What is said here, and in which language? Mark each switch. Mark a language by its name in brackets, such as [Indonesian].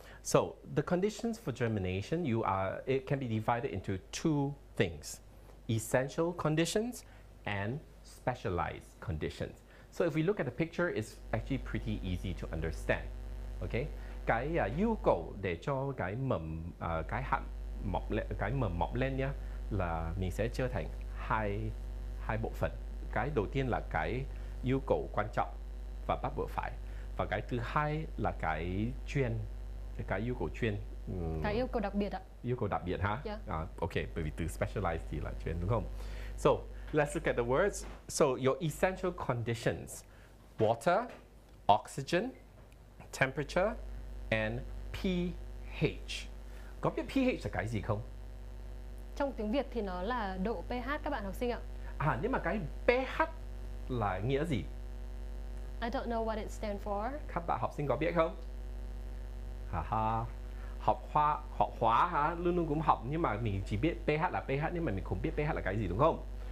[English] So the conditions for germination, it can be divided into two things: essential conditions and specialized conditions. So if we look at the picture, it's actually pretty easy to understand. [Vietnamese] Okay, cái yêu cầu để cho cái mầm cái hạt mọc lên, cái mầm mọc lên nhá, là mình sẽ chia thành hai bộ phận. Cái đầu tiên là cái yêu cầu quan trọng và bắt buộc phải, và cái thứ hai là cái chuyên, cái yêu cầu chuyên. Cái yêu cầu đặc biệt ạ. Yêu cầu đặc biệt ha. Yeah. Okay, bởi vì từ specialized thì là chuyên, đúng không? [English] So let's look at the words. So your essential conditions: water, oxygen, temperature, and pH. [Vietnamese] Có biết pH là cái gì không? Trong tiếng Việt thì nó là độ pH các bạn học sinh ạ. À, nhưng mà cái pH là nghĩa gì? [English] I don't know what it stands for. [Vietnamese] Các bạn học sinh có biết không? Ha ha. Học khoa, học hóa ha, luôn luôn cũng học, nhưng mà mình chỉ biết pH là pH, nhưng mà mình không biết pH là cái gì, đúng không?